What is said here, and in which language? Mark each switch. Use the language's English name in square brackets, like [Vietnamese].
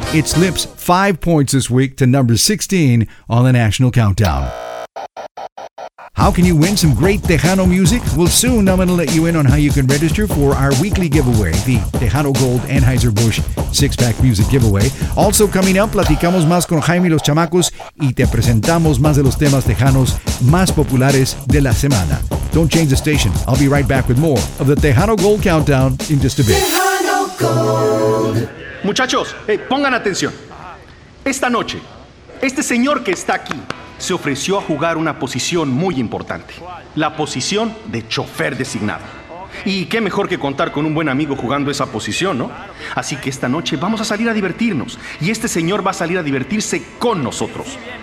[English] It slips 5 points this week to number 16 on the national countdown. How can you win some great Tejano music? Well, soon I'm going to let you in on how you can register for our weekly giveaway, the Tejano Gold Anheuser-Busch 6-Pack Music Giveaway. [Spanish] Also coming up, platicamos más con Jaime y los Chamacos y te presentamos más de los temas tejanos más populares de la semana. [English] Don't change the station. I'll be right back with more of the Tejano Gold Countdown in just a bit. Tejano [Spanish] Gold. Muchachos, hey, pongan atención. Esta noche, este señor que está aquí se ofreció a jugar una posición muy importante. La posición de chofer designado. Y qué mejor que contar con un buen amigo jugando esa posición, ¿no? Así que esta noche vamos a salir a divertirnos. Y este señor va a salir a divertirse con nosotros.